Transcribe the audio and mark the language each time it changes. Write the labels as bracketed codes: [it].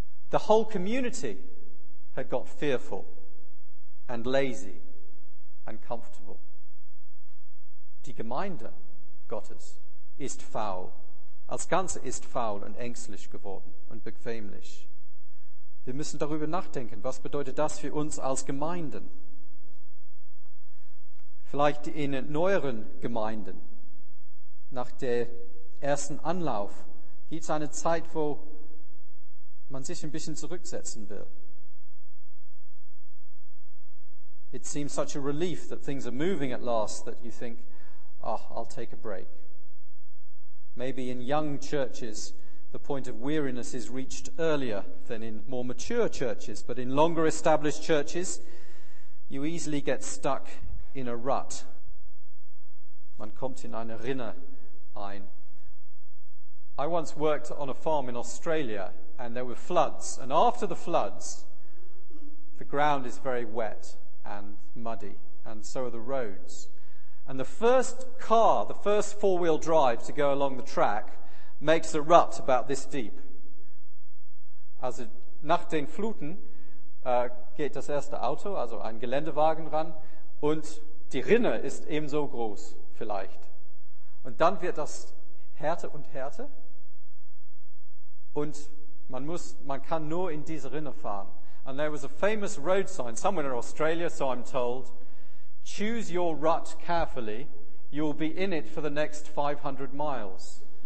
[en] The whole community had got fearful and lazy and comfortable. [de] Die Gemeinde Gottes ist faul. Als Ganze ist faul und ängstlich geworden und bequemlich. Wir müssen darüber nachdenken, was bedeutet das für uns als Gemeinden? Vielleicht in neueren Gemeinden, nach dem ersten Anlauf, gibt es eine Zeit, wo man sich ein bisschen zurücksetzen will. [en] It seems such a relief that things are moving at last that you think, oh, I'll take a break. Maybe in young churches, the point of weariness is reached earlier than in more mature churches, but in longer established churches, you easily get stuck in a rut. [de] Man kommt in eine Rinne ein. [en] I once worked on a farm in Australia, and there were floods, and after the floods, the ground is very wet and muddy, and so are the roads. And the first car, the first four-wheel drive to go along the track, makes a rut about this deep. [de] Also nach den Fluten geht das erste Auto, also ein Geländewagen ran, und die Rinne ist ebenso groß vielleicht. Und dann wird das härter und härter und man kann nur in diese Rinne fahren. [en] And there was a famous road sign somewhere in Australia, so I'm told, choose your rut carefully, you'll be in it for the next 500 miles.